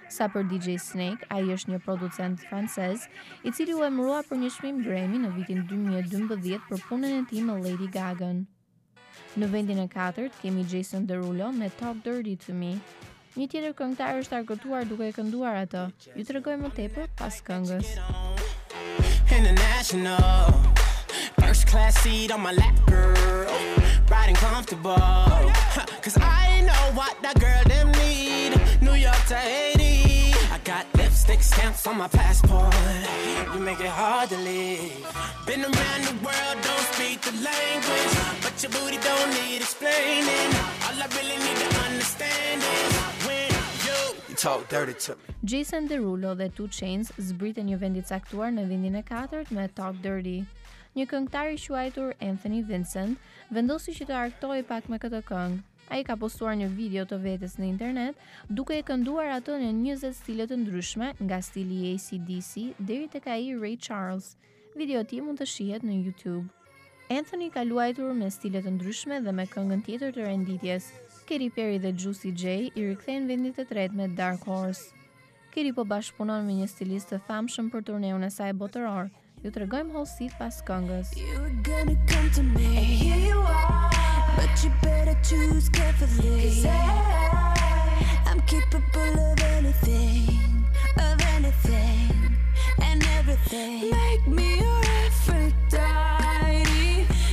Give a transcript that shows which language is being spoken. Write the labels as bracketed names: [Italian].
[Albanian] Sa për DJ Snake, ai është një producent francez i cili u emërua për një çmim Grammy në vitin 2012 për punën e tij me Lady Gaga. Në vendin e 4 kemi Jason Derulo me Talk Dirty To Me. Një tjetër këngëtar është argëtuar duke e kënduar atë. Ju tregoj më tepër pas këngës. [English] International first class seat on my lap, girl, riding comfortable, cuz I know what that girl them need. New York to Haiti, I got lips stick stamps on my passport. You make it hard to leave. Been around the world, don't speak the language, but your booty don't need explaining. All I really need to understand is when you talk dirty to me. [Albanian] Jason Derulo dhe 2 Chainz zbritën një vend të caktuar në vendin e katërt me Talk Dirty. Një këngëtar i quajtur Anthony Vincent vendosi që të argëtojë pak me këtë këngë. Ai ka postuar një video të vetes në internet, duke e kënduar atë në 20 stile të ndryshme, nga stili AC/DC deri tek ai Ray Charles. Video i tij mund të shihet në YouTube. Anthony ka luajtur me stile të ndryshme dhe me këngën tjetër të renditjes. Katy Perry dhe Juicy J i rikthehen vendit të tretë me Dark Horse. Katy po bashkëpunon me një stilist të famshëm për turneun e saj botëror. Ju tregojmë hollësitë pas këngës. [English] But you better choose carefully. 'Cause I'm capable of anything, of anything and everything. Make me your Aphrodite.